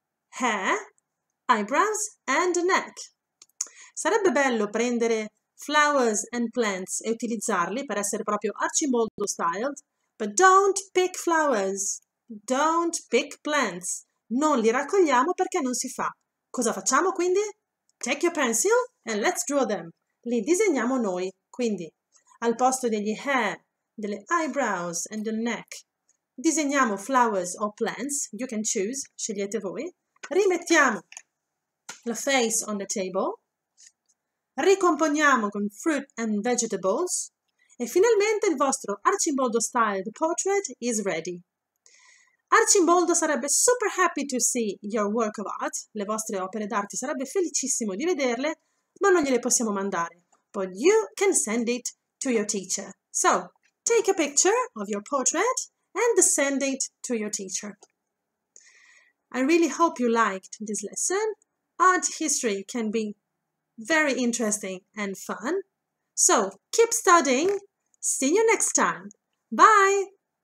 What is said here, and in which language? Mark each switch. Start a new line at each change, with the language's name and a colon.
English: Hair, eyebrows and neck.
Italian: Sarebbe bello prendere flowers and plants e utilizzarli per essere proprio
English: Archimboldo styled, but don't pick flowers, don't pick plants.
Italian: Non li raccogliamo perché non si fa. Cosa facciamo quindi?
English: Take your pencil and let's draw them.
Italian: Li disegniamo noi, quindi al posto degli hair, delle eyebrows
English: and the neck,
Italian: disegniamo
English: flowers or plants, you can choose,
Italian: scegliete voi. Rimettiamo la
English: face on the table.
Italian: Ricomponiamo con
English: fruit and vegetables.
Italian: E finalmente il vostro
English: Archimboldo styled portrait is ready. Archimboldo sarebbe super happy to see your work of art.
Italian: Le vostre opere d'arte sarebbe felicissimo di vederle, ma non gliele possiamo mandare.
English: But you can send it to your teacher. So, take a picture of your portrait and send it to your teacher. I really hope you liked this lesson. Art history can be very interesting and fun. So keep studying. See you next time. Bye!